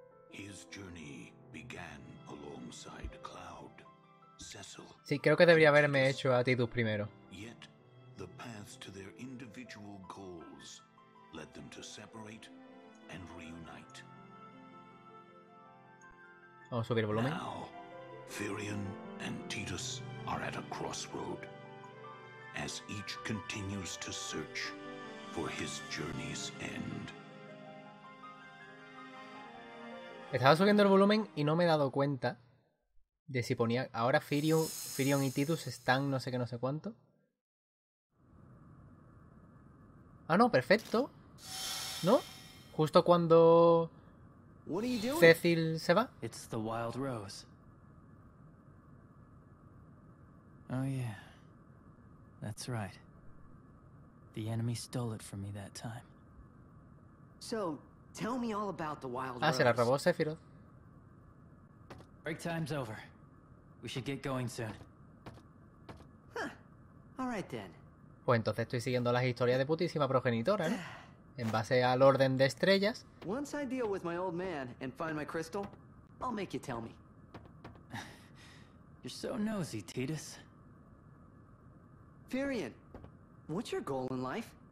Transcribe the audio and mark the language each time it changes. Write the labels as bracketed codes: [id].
[en] His journey began alongside Cloud, Cecil. [es] Sí, creo que debería haberme hecho a Titus primero. [en] Yet, the path to their individual goals led them to separate and reunite. [es] Vamos a subir el volumen. [en] Now, Firion and Titus are at a crossroad as each continues to search for his journey's end. [es] Estaba subiendo el volumen y no me he dado cuenta de si ponía ahora Firion y Titus están no sé qué, no sé cuánto. Ah, no, perfecto. ¿No? Justo cuando [en] what are you doing? [es] Cecil se va. [en] It's the Wild Rose. Oh yeah. That's right. The enemy stole it from me that time. So, tell me all about the Wild [es] Rose. Ah, se la robó Sephiroth. [en] Break time's over. We should get going soon. Huh. All right then. [es] Pues entonces estoy siguiendo las historias de putísima progenitora, ¿no? En base al orden de estrellas. [en] Once I deal with my old man and find my crystal, I'll make you tell me. You're so nosy, Titus. Firion, what's your goal in life?